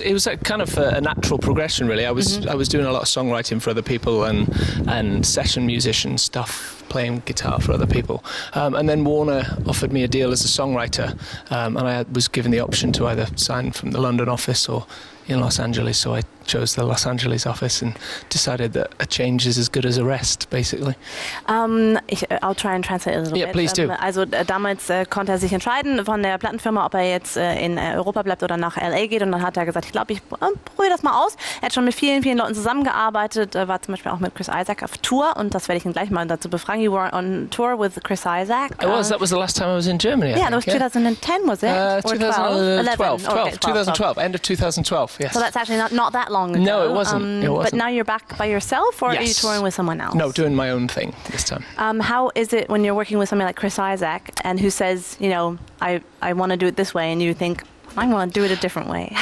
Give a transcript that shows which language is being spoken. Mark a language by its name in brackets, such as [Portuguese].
[English] It was a kind of a natural progression, really. I was doing a lot of songwriting for other people and session musician stuff, playing guitar for other people. And then Warner offered me a deal as a songwriter, and I was given the option to either sign from the London office or in Los Angeles, so I chose the Los Angeles office and decided that a change is as good as a rest, basically. I'll try and translate a little bit. Yeah, please do. [German] Also damals konnte er sich entscheiden von der Plattenfirma, ob er jetzt in Europa bleibt oder nach LA geht. Und dann hat er gesagt, ich glaube, ich probiere das mal aus. Er hat schon mit vielen, vielen Leuten zusammengearbeitet, war zum Beispiel auch mit Chris Isaak auf Tour. Und das werde ich ihn gleich mal dazu befragen. [English] You were on tour with Chris Isaak. I was. That was the last time I was in Germany, I think. Yeah, that was 2010, was it? 2012. End of 2012. Yes. So that's actually not that long ago. No, it wasn't. But now you're back by yourself, or yes. Are you touring with someone else? No, doing my own thing this time. How is it when you're working with somebody like Chris Isaak, and who says, you know, I want to do it this way, and you think, I want to do it a different way?